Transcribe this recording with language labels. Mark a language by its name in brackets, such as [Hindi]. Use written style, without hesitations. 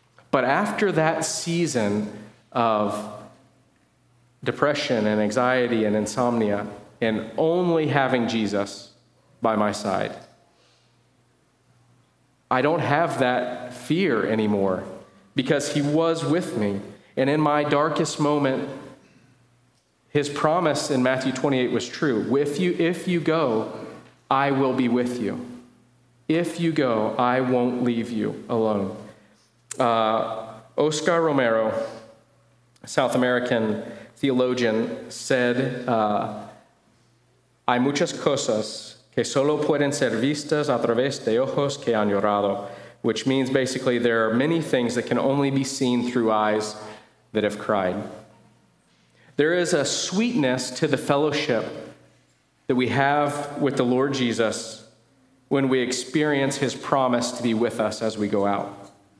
[English] But after that season of depression and anxiety and insomnia and only having Jesus by my side, I don't have that fear anymore because he was with me. And in my darkest moment, his promise in Matthew 28 was true. If you go, I will be with you. If you go, I won't leave you alone. Oscar Romero, South American theologian, said, [Spanish] hay muchas cosas que solo pueden ser vistas a través de ojos que han llorado. [English] which means basically there are many things that can only be seen through eyes that have cried. There is a sweetness to the fellowship that we have with the Lord Jesus when we experience his promise to be with us as we go out.